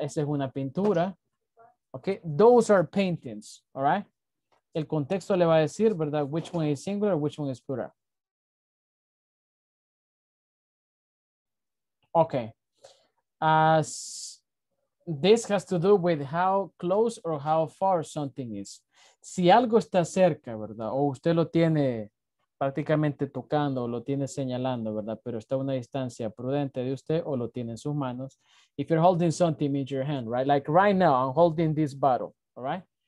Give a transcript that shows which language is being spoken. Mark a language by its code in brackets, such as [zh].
[es] Esa es una pintura, [en] okay? Those are paintings, all right? [es] El contexto le va a decir, ¿verdad? [en] Which one is singular, which one is plural. Okay. As this has to do with how close or how far something is. [es] Si algo está cerca, ¿verdad? O usted lo tiene prácticamente tocando, o lo tiene señalando, ¿verdad? Pero está a una distancia prudente de usted o lo tiene en sus manos. [en] If you're holding something in your hand, right? Like right now, I'm holding this bottle, all right?